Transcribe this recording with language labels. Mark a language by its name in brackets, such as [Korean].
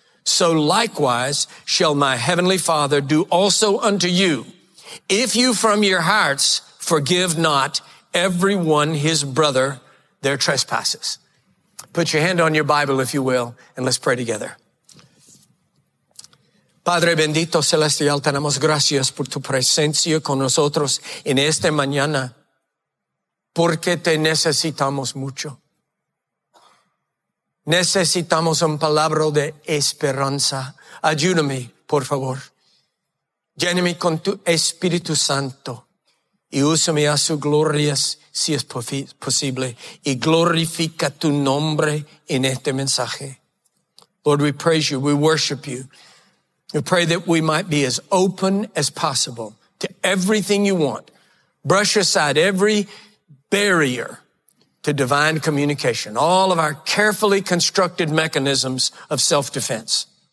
[English] So likewise shall my heavenly Father do also unto you, if you from your hearts forgive not everyone his brother their trespasses. Put your hand on your Bible, if you will, and let's pray together. [Spanish] Padre bendito celestial, tenemos gracias por tu presencia con nosotros en esta mañana, porque te necesitamos mucho. Necesitamos un palabra de esperanza. Ayúdame, por favor. Lléname con tu Espíritu Santo y úsame a su gloria si es posible. Y glorifica tu nombre en este mensaje. [English] Lord, we praise you. We worship you. We pray that we might be as open as possible to everything you want. Brush aside every barrier to divine communication, all of our carefully constructed mechanisms of self-defense.